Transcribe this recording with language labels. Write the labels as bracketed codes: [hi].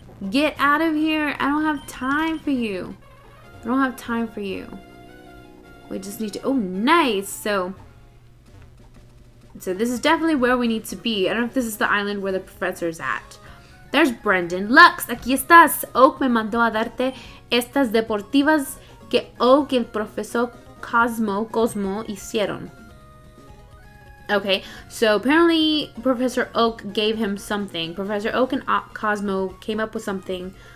[en] Get out of here. I don't have time for you. I don't have time for you. We just need to... Oh, nice! So this is definitely where we need to be. I don't know if this is the island where the professor is at. There's [es] Brendan. Lux, aquí estás. Oak me mandó a darte estas deportivas que Oak y el profesor Cosmo hicieron. [en] Okay, so apparently Professor Oak gave him something. Professor Oak and Cosmo came up with something.